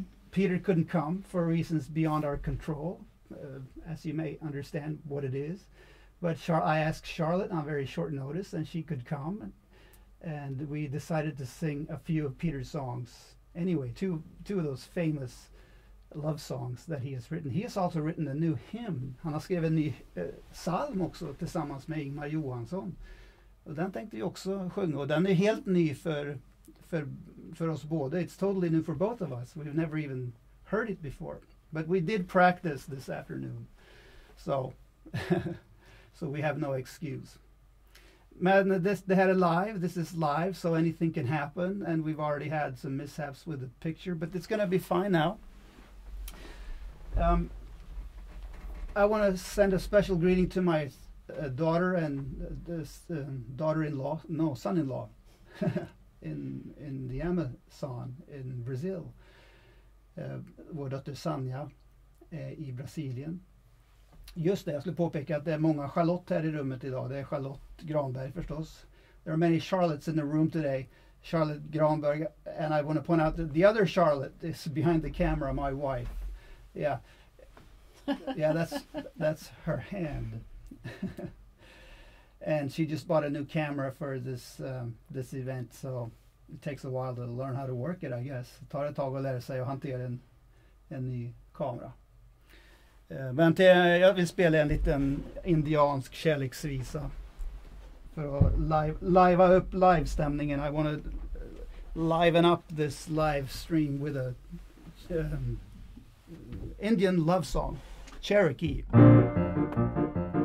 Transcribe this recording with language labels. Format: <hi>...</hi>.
<en>Peter couldn't come for reasons beyond our control, as you may understand what it is. But I asked Charlotte on very short notice, and she could come, and we decided to sing a few of Peter's songs. Anyway, two of those famous love songs that he has written. He has also written a new hymn.</en> <sv>Han har skrivit en ny psalm också tillsammans med Ingmar Johansson. Och den tänkte jag också sjunga. Och den är helt ny för oss båda.</sv> <en>It's totally new for both of us. We've never even heard it before. But we did practice this afternoon. So... So we have no excuse.</en> <sv>Men det här är live.</sv> <en>This is live, so anything can happen. And we've already had some mishaps with the picture. But it's going to be fine now. I want to send a special greeting to my daughter and daughter-in-law. No, son-in-law. in the Amazon in Brazil.</en> <sv>Vår dotter Sanja i Brasilien. Just det, jag skulle påpeka att det är många Charlotte här i rummet idag. Det är Charlotte Granberg förstås.</sv> <en>There are many Charlottes in the room today. Charlotte Granberg, and I want to point out that the other Charlotte is behind the camera, my wife. Yeah. Yeah, that's her hand. And she just bought a new camera for this event, so it takes a while to learn how to work it, I guess.</en> <sv>Det tar ett tag att lära sig att hantera en ny kamera. Men jag vill spela en liten indiansk kärleksvisa för att livea upp livestämningen.</sv> <en>I want to liven up this live stream with a Indian love song, Cherokee. Thank you.</en>